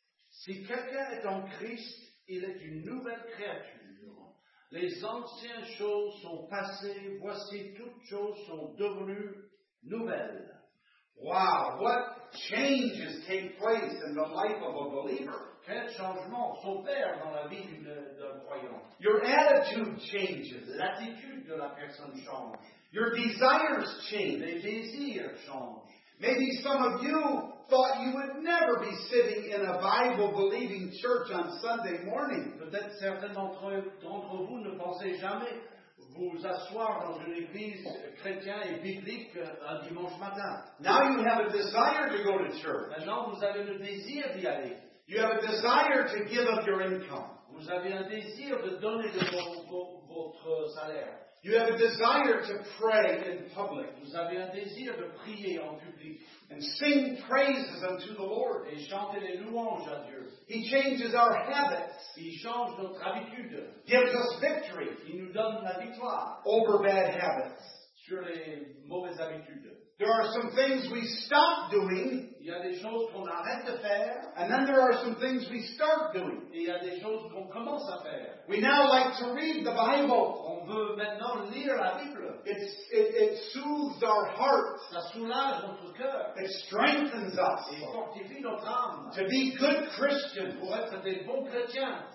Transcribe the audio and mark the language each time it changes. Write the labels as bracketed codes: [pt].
[fr] Si quelqu'un est en Christ, il est une nouvelle créature. Les anciennes choses sont passées, voici toutes choses sont devenues nouvelles. [en] Wow, what changes take place in the life of a believer? [fr] Quel changement s'opère dans la vie d'un croyant? [en] Your attitude changes. [fr] L'attitude de la personne change. [en] Your desires change. [fr] Les désirs changent. [en] Maybe some of you thought you would never be sitting in a Bible-believing church on Sunday morning. [fr] Peut-être certains d'entre vous ne pensaient jamais vous asseoir dans une église chrétienne et biblique un dimanche matin. [en] Now you have a desire to go to church. [fr] Maintenant vous avez le désir d'y aller. [en] You have a desire to give up your income. [fr] Vous avez un désir de donner de votre salaire. [en] You have a desire to pray in public. [fr] Vous avez un désir de prier en public. [en] And sing praises unto the Lord. [fr] Et chanter les louanges à Dieu. [en] He changes our habits. [fr] Il change notre habitude. [en] Gives us victory. [fr] Il nous donne la victoire. [en] Over bad habits. [fr] Sur les mauvaises habitudes. [en] There are some things we stop doing. [fr] Il y a des choses qu'on arrête de faire. [en] And then there are some things we start doing. [fr] Et il y a des choses qu'on commence à faire. [en] We now like to read the Bible. [fr] On veut maintenant lire la Bible. [en] It soothes our hearts. [fr] Ça soulage notre cœur. [en] It strengthens us. [fr] Et fortifie notre âme. [en] To be good Christians. [fr] Pour être des bons chrétiens.